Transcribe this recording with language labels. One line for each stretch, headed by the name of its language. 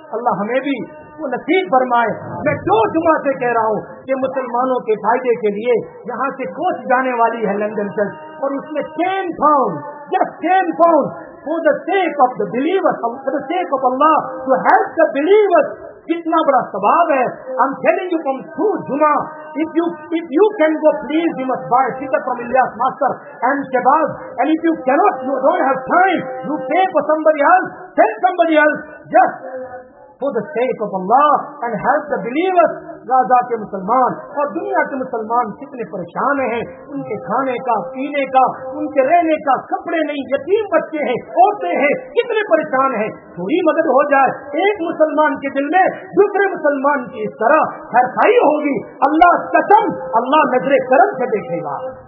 Urdu: اللہ ہمیں بھی وہ نصیب فرمائے. میں جو جمعہ سے کہہ رہا ہوں کہ مسلمانوں کے فائدے کے لیے یہاں سے کوچ جانے والی ہے لندن چرچ, اور اس میں
English: 10 pounds just 10 pounds for the sake of the believers, for the sake of Allah, to help the believers.
Urdu: کتنا بڑا ثواب ہے.
English: I'm telling you from two Juma, if you can go, please, you must buy sita from Ilyas Master and Shabazz, and if you cannot, you don't have time, you pay for somebody else, send somebody else, just for the sake of Allah and help the believers.
Urdu: Gaza کے مسلمان اور دنیا کے مسلمان کتنے پریشان ہیں, ان کے کھانے کا, پینے کا, ان کے رہنے کا, کپڑے نہیں, یتیم بچے ہیں, عورتیں ہیں, کتنے پریشان ہیں. تھوڑی مدد ہو جائے ایک مسلمان کے دل میں, دوسرے مسلمان کی اس طرح خیرخواہی ہوگی, اللہ قسم اللہ نظر کرم سے دیکھے گا.